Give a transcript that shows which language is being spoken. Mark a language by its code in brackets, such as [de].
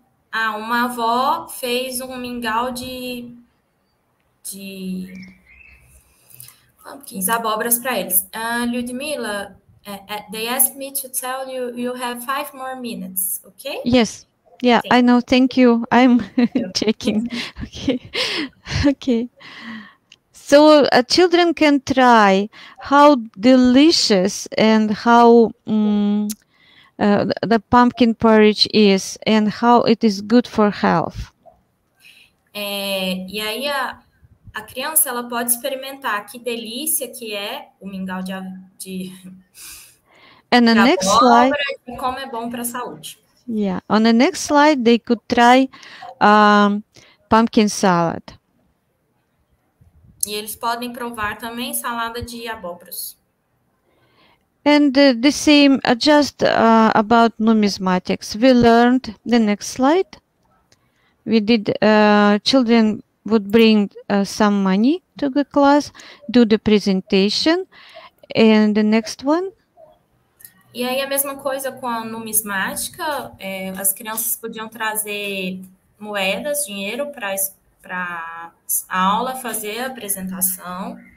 [pt] Ah, uma avó fez um mingau de pumpkins, abóboras para eles. [en] Ludmila, they asked me to tell you, you have 5 more minutes, okay? Yes, yeah, thank I know, thank you. I'm checking. Okay. So children can try how delicious and how... the pumpkin porridge is and how it is good for health. [pt] E aí a criança ela pode experimentar que delícia que é o mingau de [en] and the [pt] de [en] next slide [pt] e como é bom para a saúde. [en] Yeah, on the next slide they could try pumpkin salad. [pt] E eles podem provar também salada de abóboras. [en] And the same, just about numismatics. We learned the next slide. We did, children would bring some money to the class, do the presentation. And the next one. [pt] E aí a mesma coisa com a numismática. As crianças podiam trazer moedas, dinheiro para a aula, fazer a apresentação.